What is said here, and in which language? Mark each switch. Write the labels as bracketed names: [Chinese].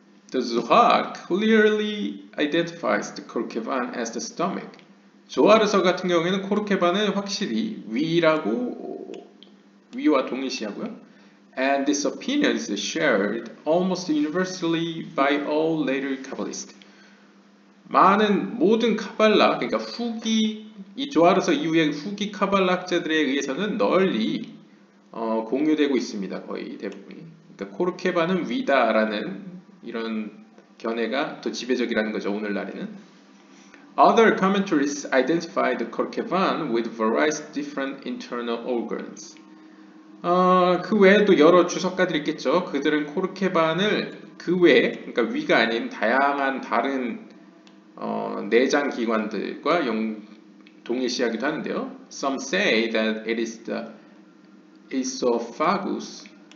[English] The Zohar clearly identifies the Korkeban as the stomach. [Korean] 조하르서 같은 경우에는 코르케반은 확실히 위라고 위와 동일시하고요. [English] And this opinion is shared almost universally by all later Kabbalists. [Korean] 모든 카발라, 그러니까 후기 이 조하르서 이후의 후기 카발라 학자들에 의해서는 널리 공유되고 있습니다. 거의 대부분이. 그러니까 코르케바는 위다라는 이런 견해가 더 지배적이라는 거죠. 오늘날에는. [English] Other commentaries identify the Korkeban with various different internal organs. [Korean] 그 외에도 여러 주석가들이 있겠죠. 그들은 코르케반을 그 외, 그러니까 위가 아닌 다양한 다른 내장 기관들과 동일시하기도 하는데요. [English] Some say that it is the esophagus.